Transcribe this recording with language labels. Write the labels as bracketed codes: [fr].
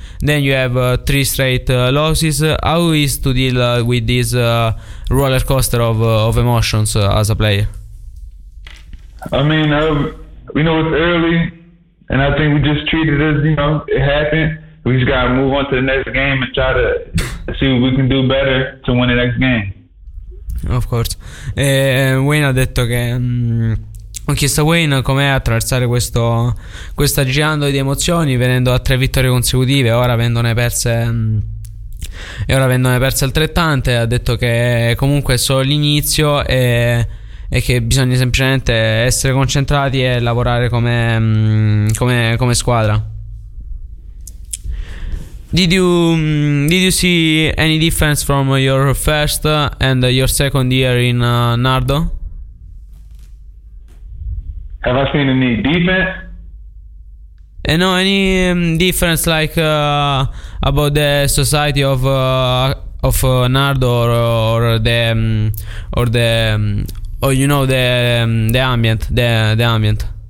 [en] Then you have three straight losses. How is to deal with this roller coaster of emotions as a player? I mean, we know it's early, and I think we just treat it as, you know, it happened. We just gotta move on to the next game and try to see what we can do better to win the next game. Of course. [it] Wayne ha detto che ho chiesto a Wayne com'è attraversare questa girandola di emozioni, venendo a tre vittorie consecutive, ora avendone perse altrettante. Ha detto che comunque è solo l'inizio e che bisogna semplicemente essere concentrati e lavorare come squadra. [en] Did you see any difference from your first and your second year in Nardo? Have I seen any defense? No, any difference like about the society of Nardo or the ambient?